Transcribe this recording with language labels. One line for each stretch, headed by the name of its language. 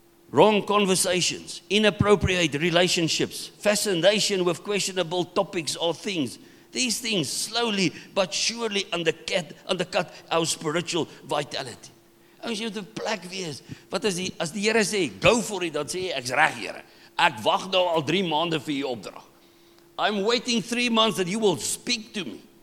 English: Wrong conversations, inappropriate relationships, fascination with questionable topics or things. These things slowly but surely undercut our spiritual vitality.
Afrikaans: Ons moet op plek wees. Wat is die, as die Here sê,
English: go for it,
Afrikaans: dan sê jy, ek's reg, Here. Ek wag nou al 3 maande vir u opdrag.
English: I'm waiting 3 months that you will speak to me.